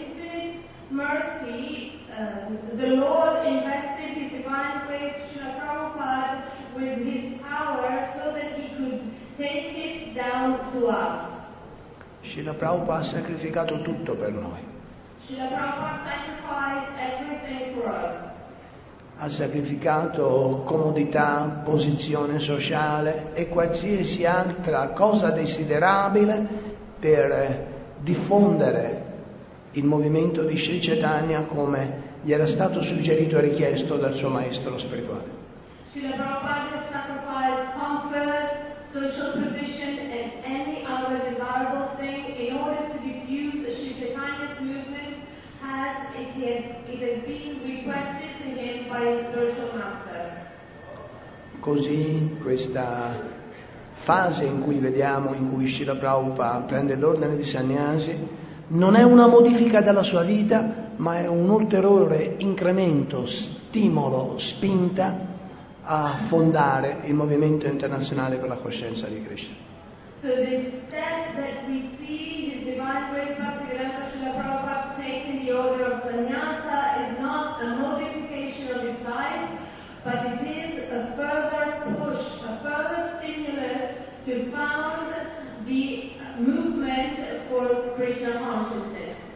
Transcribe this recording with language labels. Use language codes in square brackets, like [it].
[en] The Lord invested his divine grace, Srila Prabhupada, with his power so that he could take it down to us. [it] Srila Prabhupada ha sacrificato tutto per noi. [en] Srila Prabhupada sacrificed everything for us. [it] Ha sacrificato comodità, posizione sociale e qualsiasi altra cosa desiderabile per diffondere il movimento di Sri Chaitanya come gli era stato suggerito e richiesto dal suo maestro spirituale. [en] Srila Prabhupada sacrificed comfort, social position and any other desirable thing in order to diffuse the Sri Chaitanya's movement had it had been requested to him by his spiritual master. [it] Così questa fase in cui vediamo, in cui Srila Prabhupada prende l'ordine di Sannyasi, non è una modifica della sua vita, ma è un ulteriore incremento, stimolo, spinta a fondare il movimento internazionale per la coscienza di Krishna. [en] So the step that we see his divine grace after Srila Prabhupada taking the order of sannyasa is not a modification of his life, but it is a further push, a further stimulus to found the movement for Krishna consciousness.